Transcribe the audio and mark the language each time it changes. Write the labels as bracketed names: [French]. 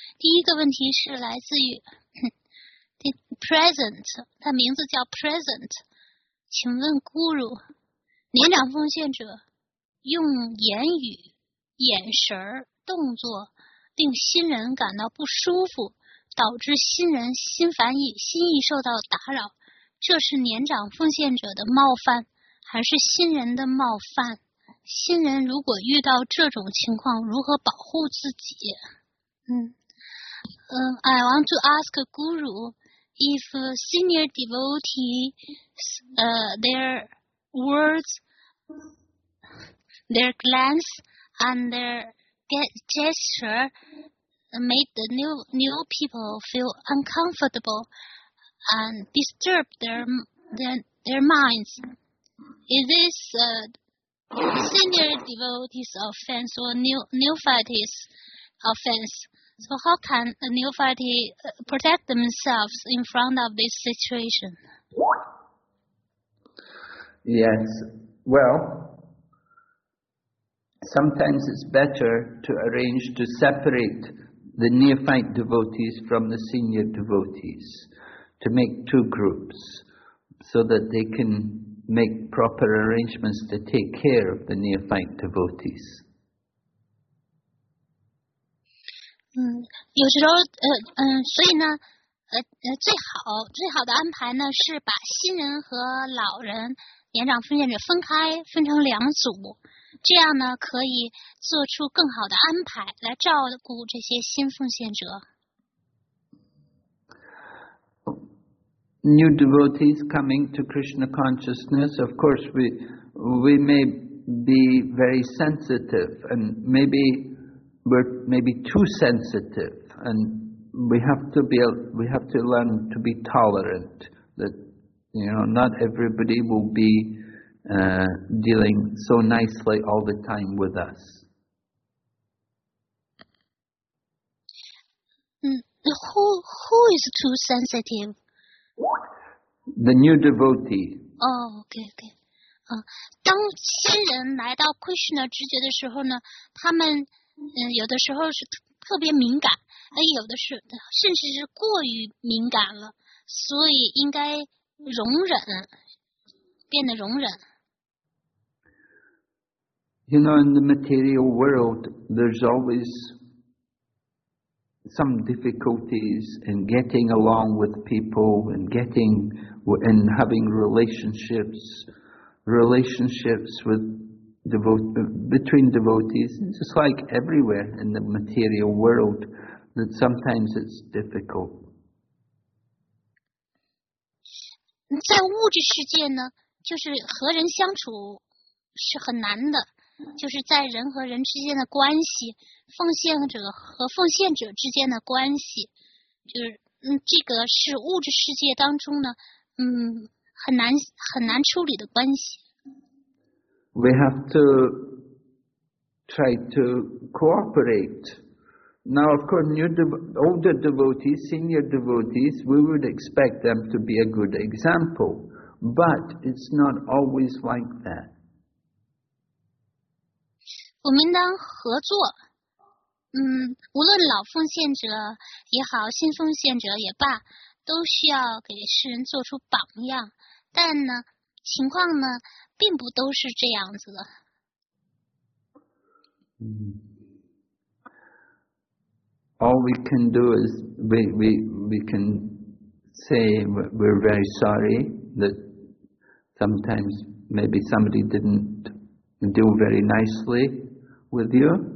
[Chinese] 第一个问题是来自于 Present， 他名字叫 Present， 请问 Guru， 年长奉献者用言语、眼神、动作令新人感到不舒服，导致新人心烦意，心意受到打扰，这是年长奉献者的冒犯还是新人的冒犯？新人如果遇到这种情况，如何保护自己？ [English] I want to ask Guru, if senior devotees, their words, their glance, and their gesture made the new people feel uncomfortable and disturb their minds, is this senior devotees' offense or neophytes' offense? So how can a neophyte protect themselves in front of this situation? Yes. Well, sometimes it's better to arrange to separate the neophyte devotees from the senior devotees, to make two groups so that they can make proper arrangements to take care of the neophyte devotees. [Chinese] 有时候所以呢最好的安排呢是把新人和老人年长奉献者分开，分成两组，这样呢可以做出更好的安排来照顾这些新奉献者。 [English] New devotees coming to Krishna consciousness, of course, we may be very sensitive, and maybe we're maybe too sensitive, and we have to learn to be tolerant, that, you know, not everybody will be dealing so nicely all the time with us. 嗯，who is too sensitive? The new devotee. Oh, okay, okay. [Chinese] 当新人来到 Krishna 直觉的时候呢，他们有的时候是特别敏感，有的是甚至是过于敏感了，所以应该容忍，变得容忍。 [English] You know, in the material world, there's always some difficulties in getting along with people and getting. And having relationships with between devotees, just like everywhere in the material world, that sometimes it's difficult. [Chinese] 在物质世界呢，就是和人相处是很难的，就是在人和人之间的关系，奉献者和奉献者之间的关系，就是这个是物质世界当中呢。很难处理的关系。 [English] We have to try to cooperate. Now, of course, older devotees, senior devotees, we would expect them to be a good example. But it's not always like that. [Chinese] 我们应当合作。无论老奉献者也好，新奉献者也罢。都需要给世人做出榜样，但呢，情况呢，并不都是这样子的。 [English] All we can do is we can say we're very sorry that sometimes maybe somebody didn't deal very nicely with you.